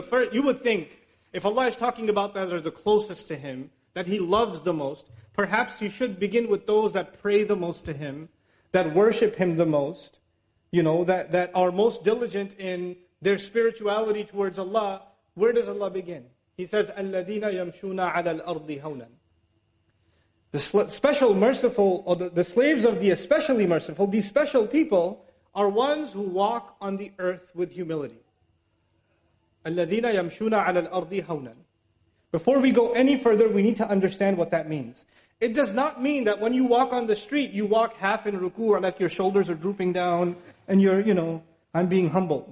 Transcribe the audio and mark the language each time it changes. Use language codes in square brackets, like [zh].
[en] The first, you would think, if Allah is talking about those that are the closest to Him, that He loves the most, perhaps you should begin with those that pray the most to Him, that worship Him the most, you know, that are most diligent in their spirituality towards Allah. Where does Allah begin? [ar] He says, أَلَّذِينَ يَمْشُونَ عَلَى الْأَرْضِ هَوْنًا. [en] The special merciful, or the slaves of the especially merciful, these special people, are ones who walk on the earth with humility. [ar] أَلَّذِينَ يَمْشُونَ عَلَى الْأَرْضِ هَوْنًا. [en] Before we go any further, we need to understand what that means. It does not mean that when you walk on the street, you walk half in ruku, or like your shoulders are drooping down, and you're, you know, I'm being humble.